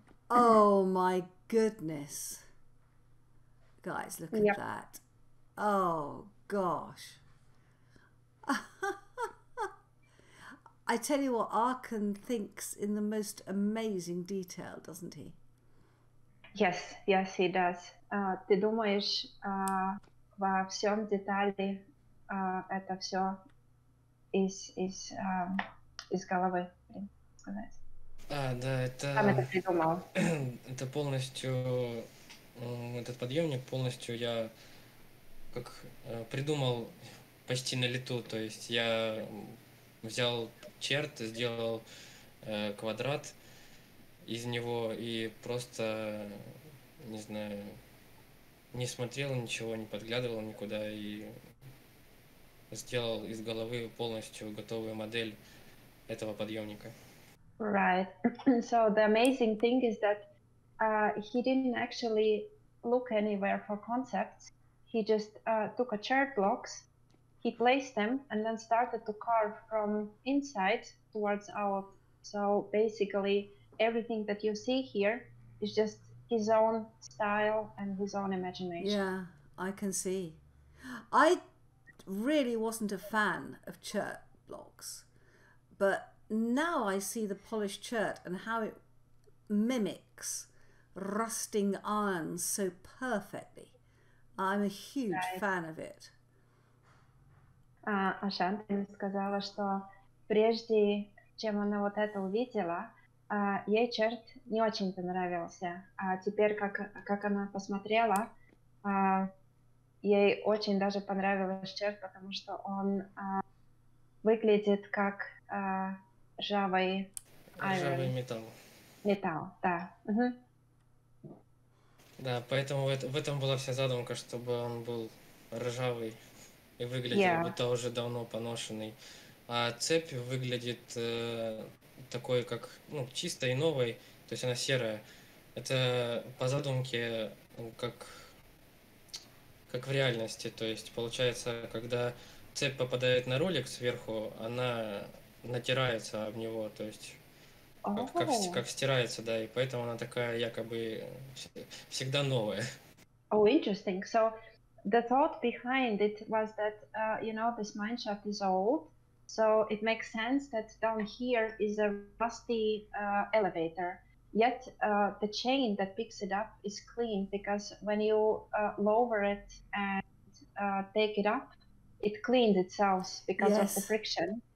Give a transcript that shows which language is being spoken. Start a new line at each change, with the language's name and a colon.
English: Oh my goodness. Guys, look at that. Oh gosh. I tell you what, Arkan thinks in the most amazing detail, doesn't he? Yes, yes, he does.
Russian: Ты думаешь во всем детали, это все из головы, блин, сказать. А, да, это... Сам это придумал. Это полностью, этот подъемник полностью я как придумал почти на лету, то есть я взял черт, сделал квадрат из него и просто, не знаю, не смотрел ничего, не подглядывал никуда и сделал из головы полностью готовую модель этого подъемника.
English: Right. So the amazing thing is that he didn't actually look anywhere for concepts. He just took a chart blocks, he placed them, and then started to carve from inside towards out. So basically, everything that you see here is just his own style and his own imagination. Yeah, I can see. I really wasn't a fan of chert blocks, but now I see the polished chert and how it mimics rusting iron so perfectly. I'm a huge fan of it.
Russian: Ашантин сказала, что прежде чем она вот это увидела, ей черт не очень понравился. А теперь, как она посмотрела, ей очень даже понравилось черт, потому что он выглядит как ржавый... Ржавый металл. Металл, да. Угу. Да, поэтому в этом была вся задумка, чтобы он был ржавый. И выглядит, как будто уже давно поношенный. А цепь выглядит такой, как, ну, чистой, новой, то есть она серая. Это по задумке, как в реальности. То есть получается, когда цепь попадает на ролик сверху, она натирается об него, то есть как стирается, да, и поэтому она такая якобы всегда новая.
English: Oh, interesting. So... The thought behind it was that, you know, this mineshaft is old, so it makes sense that down here is a rusty elevator, yet the chain that picks it up is clean, because when you lower it and take it up, it cleans itself because of the friction.